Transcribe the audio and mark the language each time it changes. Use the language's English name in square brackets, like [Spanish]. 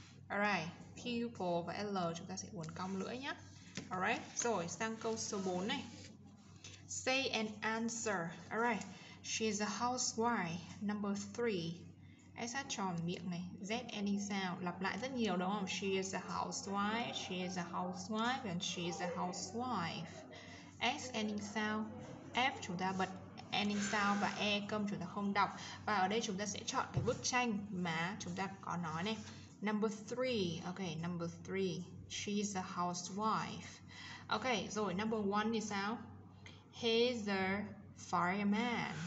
[Vietnamese] Alright, pupil và L chúng ta sẽ uốn cong lưỡi nhé. Alright, rồi sang câu số 4 này. [English] Say an answer, alright. She's a housewife, number 3. S [Vietnamese] hát tròn miệng này, [English] Z ending sound. [Vietnamese] Lặp lại rất nhiều đúng không? [English] She is a housewife, she is a housewife, and she is a housewife. S ending sound. [Vietnamese] F chúng ta bật ending sound và E câm chúng ta không đọc. Và ở đây chúng ta sẽ chọn cái bức tranh mà chúng ta có nói này. [English] Number 3. Ok, number 3. She is a housewife. Ok, [Vietnamese] rồi number 1 thì sao? [English] He's a fireman.